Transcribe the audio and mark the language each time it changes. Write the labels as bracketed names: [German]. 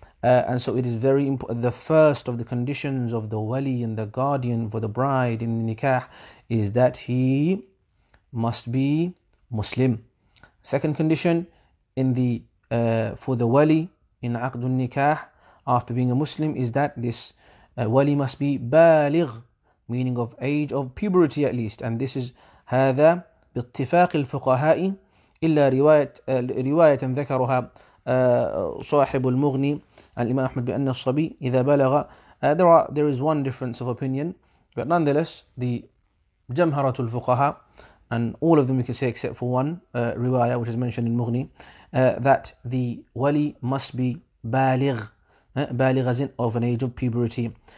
[English] And so it is very important, the first of the conditions of the wali and the guardian for the bride in the nikah is that he must be Muslim. Second condition for the wali in aqdun nikah, after being a Muslim, is that this wali must be baligh, meaning of age of puberty at least. And this is [Arabic] هذا باتفاق الفقهاء إلا رواية ذكرها صاحب المغني الإمام أحمد بأن الصبي إذا بلغ. [English] There is one difference of opinion, but nonetheless the جمهرة الفقهاء, and all of them you can say except for one رواية which is mentioned in المغني, that the ولي must be بالغ as in of an age of puberty.